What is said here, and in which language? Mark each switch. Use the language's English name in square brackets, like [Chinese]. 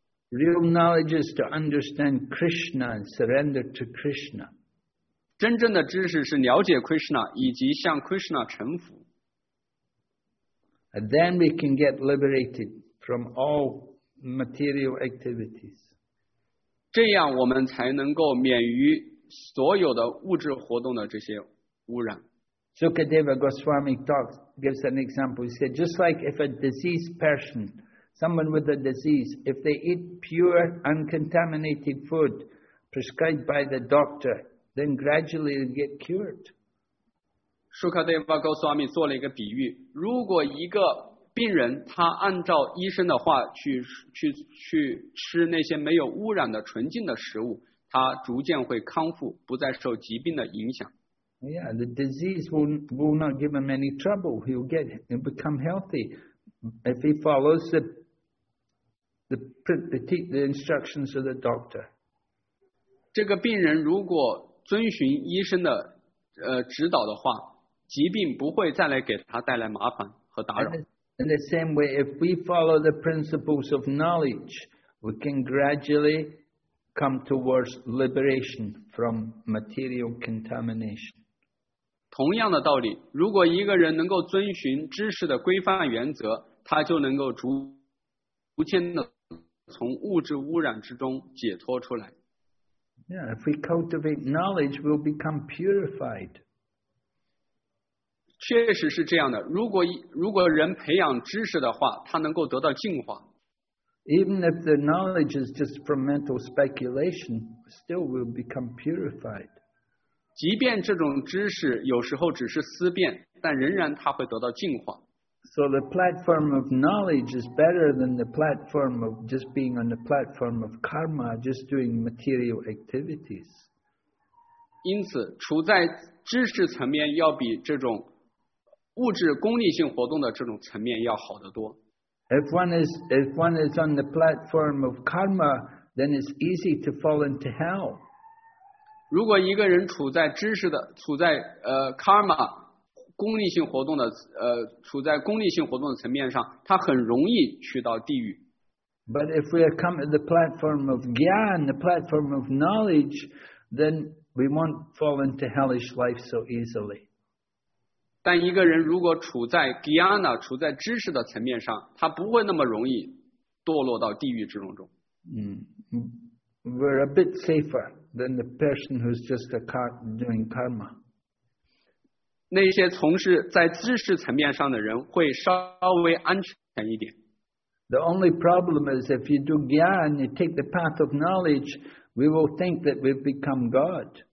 [English] Real knowledge is to understand Krishna and surrender to Krishna. [Chinese] 真正的知识是了解 Krishna 以及向 Krishna 臣服。 [English] And then we can get liberated from all material activities. [Chinese] 这样我们才能够免于所有的物质活动的这些污染。 [English] Sukadeva Goswami talks, gives an example. He said, just like if a diseased person, someone with a disease, if they eat pure, uncontaminated food prescribed by the doctor, then gradually they get cured. [Chinese] Sukadeva Goswami 做了一个比喻，如果一个病人他按照医生的话去吃那些没有污染的纯净的食物，他逐渐会康复，不再受疾病的影响。 [English] Yeah, the disease will not give him any trouble. He'll become healthy if he follows the instructions of the doctor. [Chinese] 这个病人如果遵循医生的指导的话，疾病不会再来给他带来麻烦和打扰。 [English] In the same way, if we follow the principles of knowledge, we can gradually come towards liberation from material contamination. [Chinese] 同样的道理，如果一个人能够遵循知识的规范原则，他就能够逐渐的从物质污染之中解脱出来。 [English] Yeah, if we cultivate knowledge, we'll become purified. [Chinese] 确实是这样的，如果人培养知识的话，他能够得到净化。 [English] Even if the knowledge is just from mental speculation, still we'll become purified. [Chinese] 即便这种知识有时候只是思辨，但仍然它会得到净化。 [English] So the platform of knowledge is better than the platform of just being on the platform of karma, just doing material activities. [Chinese] 因此，处在知识层面要比这种物质功利性活动的这种层面要好得多。 [English] If one is on the platform of karma, then it's easy to fall into hell. [Chinese] 如果一个人处在知识的处在karma 功利性活动的处在功利性活动的层面上，他很容易去到地狱。 [English] But if we come to the platform of gyan, the platform of knowledge, then we won't fall into hellish life so easily. [Chinese] 但一个人如果处在 gyana 处在知识的层面上，他不会那么容易堕落到地狱之中。 [English] 嗯、we're a bit safer. Than the person who's just doing karma. [Chinese] 那些从事在知识层面上的人会稍微安全一点。 [English] The only problem is if you do gyan and you take the path of knowledge, we will think that we've become God.